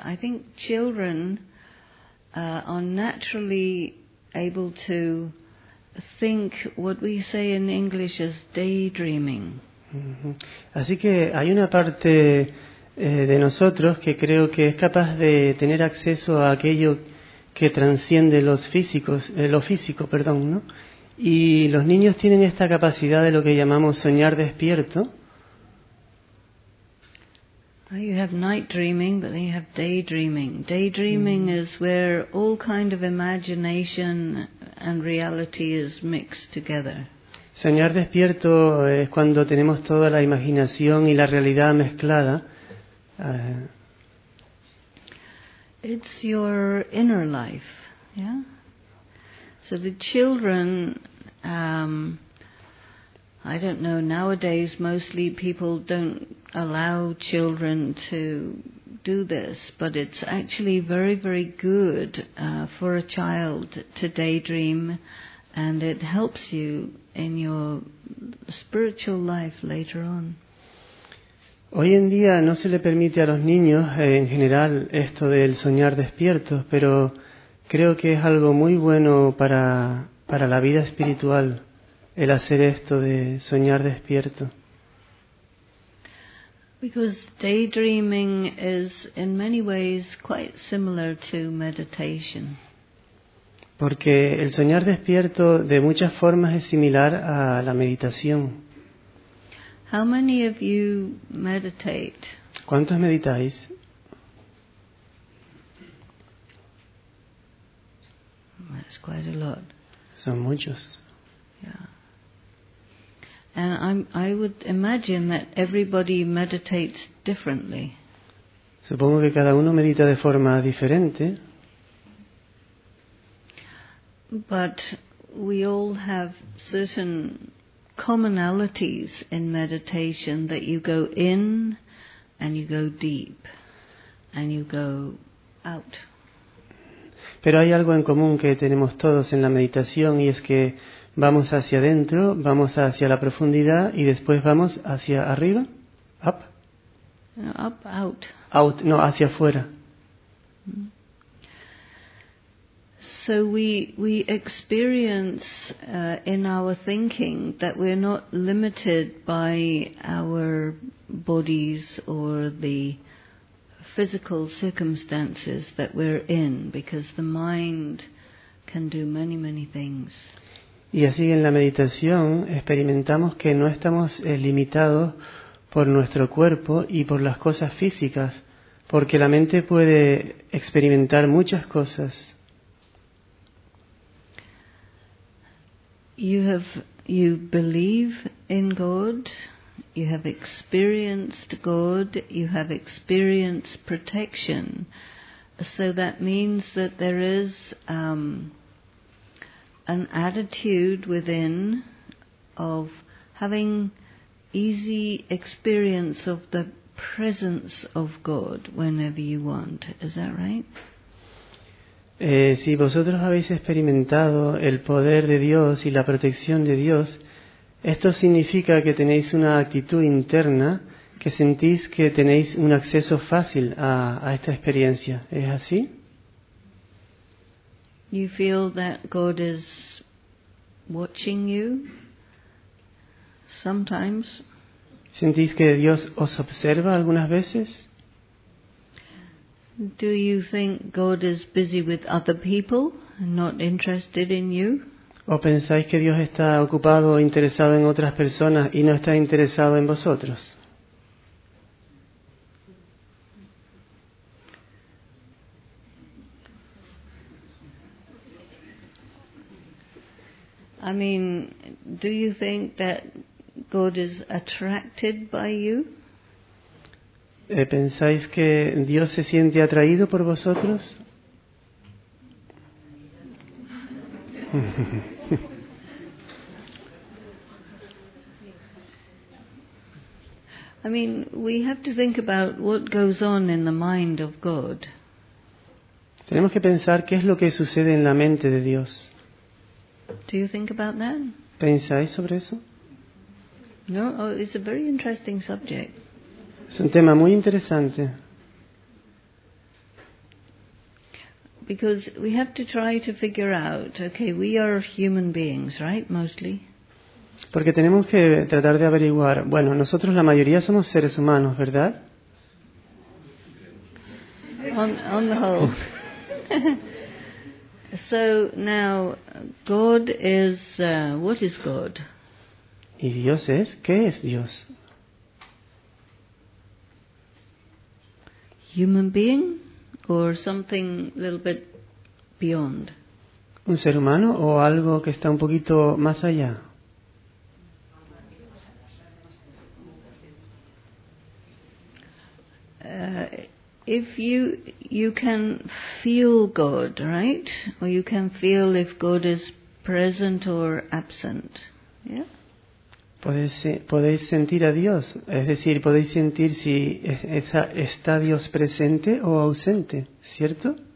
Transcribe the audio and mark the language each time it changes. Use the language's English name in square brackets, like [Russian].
[English] I think children are naturally able to think what we say in English as daydreaming. Mm-hmm. [Spanish] Así que hay una parte de nosotros que creo que es capaz de tener acceso a aquello que transciende lo físico, ¿no? Y los niños tienen esta capacidad de lo que llamamos soñar despierto. [English] You have night dreaming, but they have daydreaming. Daydreaming is where all kind of imagination and reality is mixed together. [Spanish] Soñar despierto es cuando tenemos toda la imaginación y la realidad mezclada. [English] It's your inner life, yeah? So the children, I don't know, nowadays mostly people don't allow children to do this, but it's actually very, very good for a child to daydream, and it helps you in your spiritual life later on. [Spanish] Hoy en día no se le permite a los niños en general esto del soñar despiertos, pero creo que es algo muy bueno para la vida espiritual, el hacer esto de soñar despierto. [English] Because daydreaming is in many ways quite similar to meditation. [Spanish] Porque el soñar despierto de muchas formas es similar a la meditación. [English] How many of you meditate? [Spanish] ¿Cuántos meditáis? [English] That's quite a lot. [Spanish] Son muchos. [English] Yeah. And I would imagine that everybody meditates differently. [Spanish] Supongo que cada uno medita de forma diferente. [English] But we all have certain commonalities in meditation, that you go in and you go deep and you go out. [Spanish] Pero hay algo en común que tenemos todos en la meditación, y es que vamos hacia adentro, vamos hacia la profundidad y después vamos hacia arriba, [English] up. Up, out. Out, [Spanish] no, hacia afuera. [English] So we experience in our thinking that we're not limited by our bodies or the physical circumstances that we're in, because the mind can do many, many things. [Spanish] Y así en la meditación experimentamos que no estamos limitados por nuestro cuerpo y por las cosas físicas, Porque la mente puede experimentar muchas cosas. [English] You believe in God, you have experienced God, you have experienced protection. So that means that there is an attitude within of having easy experience of the presence of God whenever you want. Is that right? [Spanish] Si vosotros habéis experimentado el poder de Dios y la protección de Dios, esto significa que tenéis una actitud interna, que sentís que tenéis un acceso fácil a esta experiencia. ¿Es así? [English] You feel that God is watching you sometimes. [Spanish] ¿Sentís que Dios os observa algunas veces? [English] Do you think God is busy with other people and not interested in you? [Spanish] ¿O pensáis que Dios está ocupado o interesado en otras personas y no está interesado en vosotros? [English] I mean, do you think that God is attracted by you? [Spanish] ¿Pensáis que Dios se siente atraído por vosotros? [English] I mean, we have to think about what goes on in the mind of God. [Spanish] Tenemos que pensar qué es lo que sucede en la mente de Dios. [English] Do you think about that? [Spanish] ¿Pensáis sobre eso? [English] No, oh, it's a very interesting subject. [Spanish] Es un tema muy interesante. [English] Because we have to try to figure out, okay, we are human beings, right? Mostly. [Spanish] Porque tenemos que tratar de averiguar, bueno, nosotros la mayoría somos seres humanos, ¿verdad? [English] On the whole. So now God is what is God? [Spanish] ¿Y Dios es? ¿Qué es Dios? [English] Human being or something a little bit beyond? [Spanish] ¿Un ser humano o algo que está un poquito más allá? [English] If you can feel God, right? Or you can feel if God is present or absent. Yeah? [Spanish] Podéis sentir a Dios, es decir, podéis sentir si está Dios presente o ausente, ¿cierto?